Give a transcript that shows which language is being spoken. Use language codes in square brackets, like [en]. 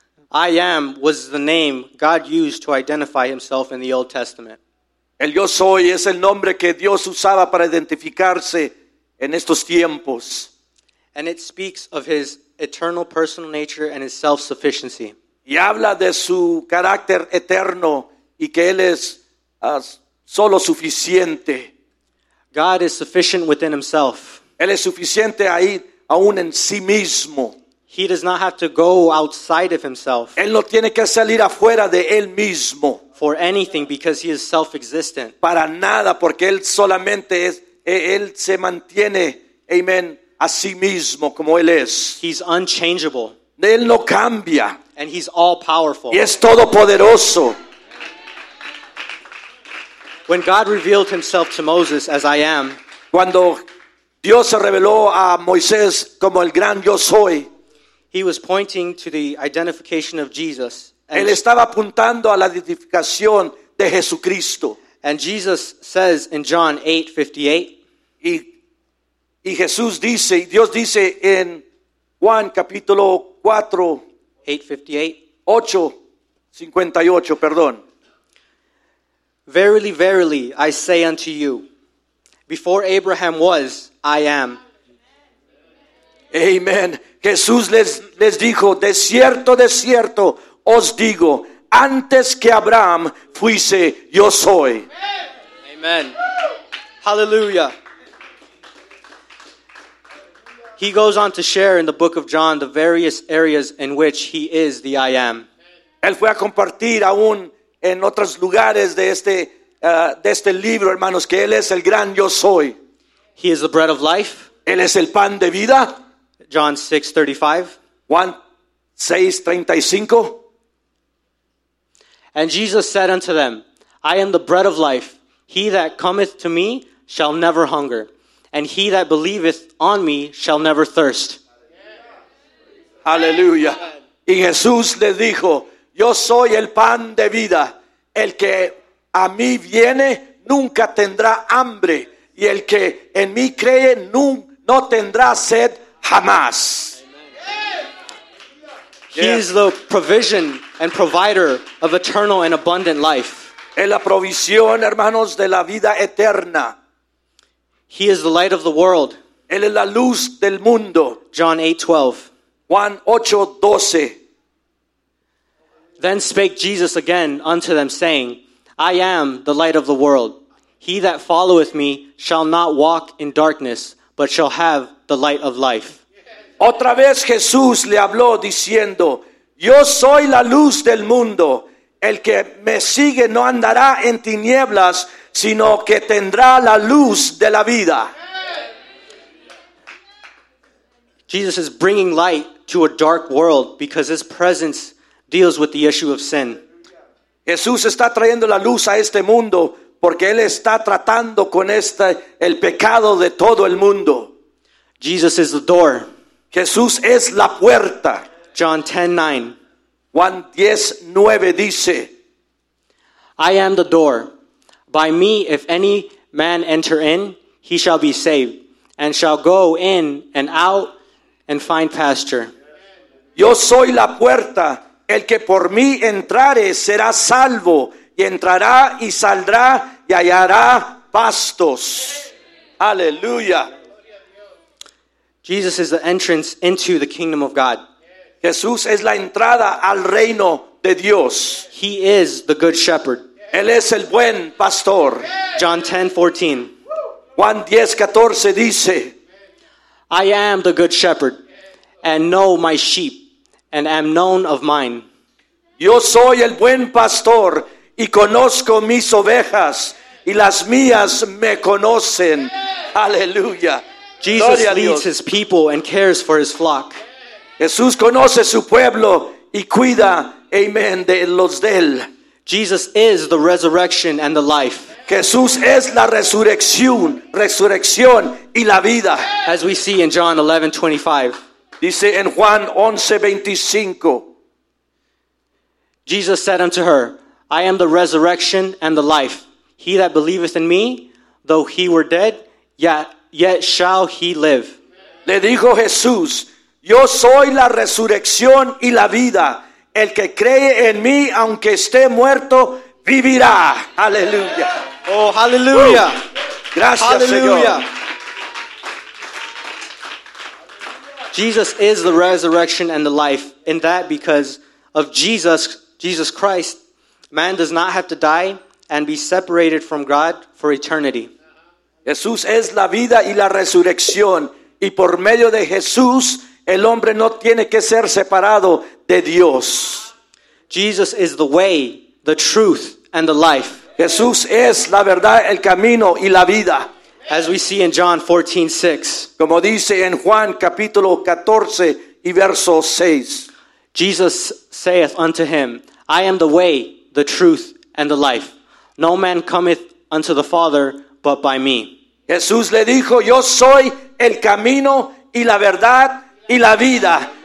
[en] I am was the name God used to identify himself in the Old Testament. [es] El yo soy es el nombre que Dios usaba para identificarse en estos tiempos. [en] And it speaks of his eternal personal nature and his self-sufficiency. [es] Y habla de su carácter eterno y que él es solo suficiente. [en] God is sufficient within himself. [es] Él es suficiente ahí aún en sí mismo. [en] He does not have to go outside of himself. [es] Él no tiene que salir afuera de él mismo. [en] For anything, because he is self-existent. [es] Para nada, porque él solamente es, él se mantiene, amen, a sí mismo como él es. [en] He's unchangeable. [es] Él no cambia. [en] And he's all-powerful. [es] Y es todopoderoso. [en] When God revealed himself to Moses as I am, [es] cuando Dios se reveló a Moisés como el gran yo soy, [en] he was pointing to the identification of Jesus. [es] Él estaba apuntando a la identificación de Jesucristo. [en] And Jesus says in John 8:58. [es] Y Jesús dice, Dios dice en Juan capítulo 4. 8:58, perdón. [en] Verily, verily, I say unto you, before Abraham was, I am. Amen. [es] Jesús les dijo, de cierto, os digo, antes que Abraham fuise, yo soy. [en] Amen. Hallelujah. He goes on to share in the book of John the various areas in which he is the I am. [es] Él fue a compartir aún en otros lugares de este libro, hermanos, que él es el gran yo soy. [en] He is the bread of life. [es] Él es el pan de vida. [en] John 6:35. And Jesus said unto them, I am the bread of life. He that cometh to me shall never hunger, and he that believeth on me shall never thirst. [es] Aleluya. Y Jesús le dijo, yo soy el pan de vida. El que a mí viene nunca tendrá hambre, y el que en mí cree no tendrá sed jamás. [en] He is the provision and provider of eternal and abundant life. [es] Es la provisión, hermanos, de la vida eterna. [en] He is the light of the world. [es] Él es la luz del mundo. [en] John 8:12. [es] Juan 8:12. [en] Then spake Jesus again unto them, saying, I am the light of the world. He that followeth me shall not walk in darkness, but shall have the light of life. [es] Otra vez Jesús le habló diciendo, yo soy la luz del mundo. El que me sigue no andará en tinieblas, sino que tendrá la luz de la vida. [en] Jesus is bringing light to a dark world because his presence deals with the issue of sin. [es] Jesús está trayendo la luz a este mundo porque él está tratando con este el pecado de todo el mundo. [en] Jesus is the door. [es] Jesús es la puerta. [en] John 10:9. [es] Juan 10:9 dice, [en] I am the door. By me, if any man enter in, he shall be saved, and shall go in and out and find pasture. [es] Yo soy la puerta. El que por mí entrare será salvo, y entrará y saldrá y hallará pastos. Aleluya. [en] Jesus is the entrance into the kingdom of God. [es] Jesús es la entrada al reino de Dios. [en] He is the good shepherd. [es] Él es el buen pastor. [en] John 10:14. [es] Juan 10:14 dice, [en] I am the good shepherd, and know my sheep, and am known of mine. [es] Yo soy el buen pastor, y conozco mis ovejas, y las mías me conocen. Aleluya. [en] Jesus leads his people and cares for his flock. [es] Jesús conoce su pueblo y cuida, amen, de los de él. [en] Jesus is the resurrection and the life. [es] Jesús es la resurrección y la vida. [en] As we see in John 11:25. [es] Dice en Juan 11:25. [en] Jesus said unto her, I am the resurrection and the life. He that believeth in me, though he were dead, yet shall he live. [es] Le dijo Jesús, yo soy la resurrección y la vida. El que cree en mí, aunque esté muerto, vivirá. Aleluya. Oh, aleluya. Gracias, [en] hallelujah. [es] Señor. [en] Jesus is the resurrection and the life. In that, because of Jesus Christ, man does not have to die and be separated from God for eternity. [es] Jesús es la vida y la resurrección. Y por medio de Jesús, el hombre no tiene que ser separado de Dios. [en] Jesus is the way, the truth, and the life. [es] Jesús es la verdad, el camino y la vida. [en] As we see in John 14:6. [es] Como dice en Juan capítulo 14 y verso 6. [en] Jesus saith unto him, I am the way, the truth, and the life. No man cometh unto the Father but by me. [es] Jesús le dijo, yo soy el camino y la verdad y la vida.